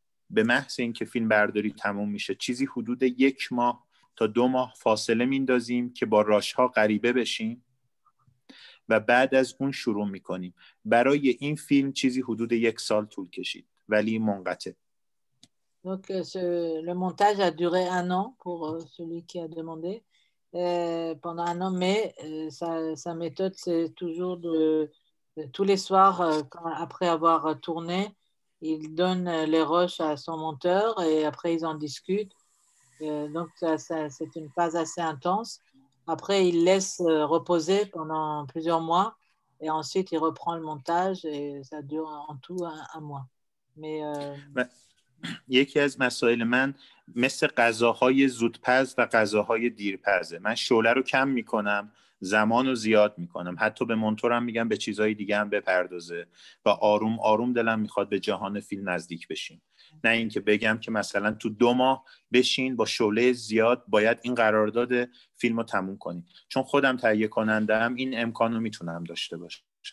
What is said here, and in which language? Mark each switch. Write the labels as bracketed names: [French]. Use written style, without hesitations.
[Persian] به محض اینکه فیلم برداری تموم میشه چیزی حدود یک ماه تا دو ماه فاصله میندازیم که با راشها غریبه بشیم و بعد از اون شروع میکنیم. برای این فیلم چیزی حدود یک سال طول کشید ولی منقطع. [French] Donc, le montage a duré un an pour celui qui a demandé, pendant un an, mais sa méthode, c'est toujours de tous les soirs, après avoir tourné, il donne les rushs à son monteur et après, ils en discutent. Donc, ça, c'est une phase assez intense. Après, il laisse reposer pendant plusieurs mois et ensuite, il reprend le montage et ça dure en tout un mois. Mais... [Persian] یکی از مسائل من مثل غذاهای زودپز و غذاهای دیرپزه. من شعله رو کم میکنم، زمان رو زیاد میکنم، حتی به مونتورم میگم به چیزهای دیگه هم بپردازه و آروم آروم دلم میخواد به جهان فیلم نزدیک بشیم، نه اینکه بگم که مثلا تو دو ماه بشین با شعله زیاد باید این قرارداد فیلم رو تموم کنیم، چون خودم تهیه کنندم این امکان رو میتونم داشته باشم.